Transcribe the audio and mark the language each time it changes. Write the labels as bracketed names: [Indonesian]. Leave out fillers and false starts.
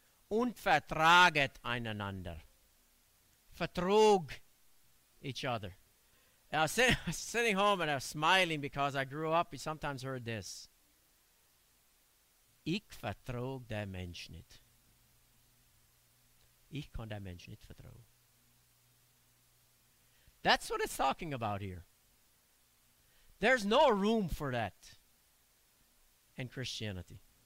[German] Und vertraget einander. [English] Vertrog each other. And I was sitting home and I was smiling because I grew up, you sometimes heard this. [German] Ich vertrog der Mensch nicht. Ich kann der Mensch nicht vertrauen. [English] That's what it's talking about here. There's no room for that in Christianity.